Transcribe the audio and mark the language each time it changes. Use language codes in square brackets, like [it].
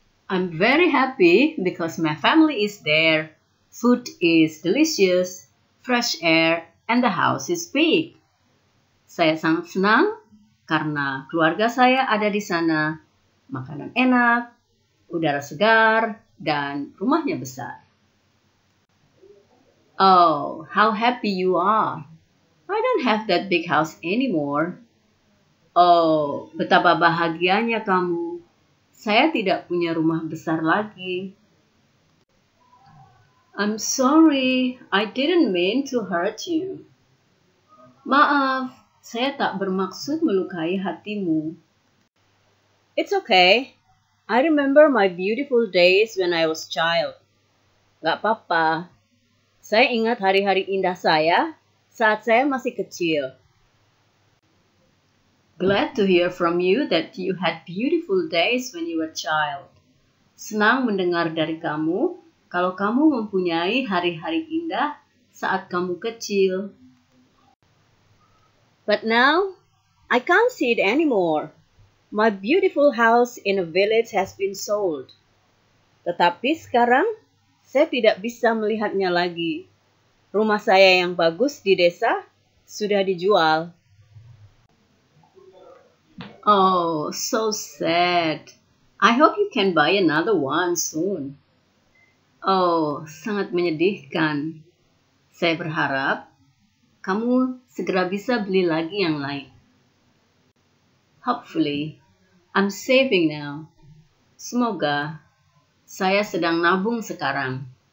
[en] I'm very happy because my family is there. Food is delicious, fresh air, and the house is big. [id] Saya sangat senang karena keluarga saya ada di sana. Makanan enak, udara segar, dan rumahnya besar. [en] Oh, how happy you are. I don't have that big house anymore. [id] Oh, betapa bahagianya kamu. Saya tidak punya rumah besar lagi. [en] I'm sorry, I didn't mean to hurt you. [id] Maaf, saya tak bermaksud melukai hatimu. [en] It's okay. I remember my beautiful days when I was child. [id] Gak apa-apa. Saya ingat hari-hari indah saya saat saya masih kecil. [en] Glad to hear from you that you had beautiful days when you were child. [id] Senang mendengar dari kamu kalau kamu mempunyai hari-hari indah saat kamu kecil. [en] But now, I can't see it anymore. My beautiful house in a village has been sold. [id] Tetapi sekarang, saya tidak bisa melihatnya lagi. Rumah saya yang bagus di desa sudah dijual. [en] Oh, so sad. I hope you can buy another one soon. [id] Oh, sangat menyedihkan. Saya berharap kamu segera bisa beli lagi yang lain. [en] Hopefully, I'm saving now. [id] Semoga saya sedang nabung sekarang.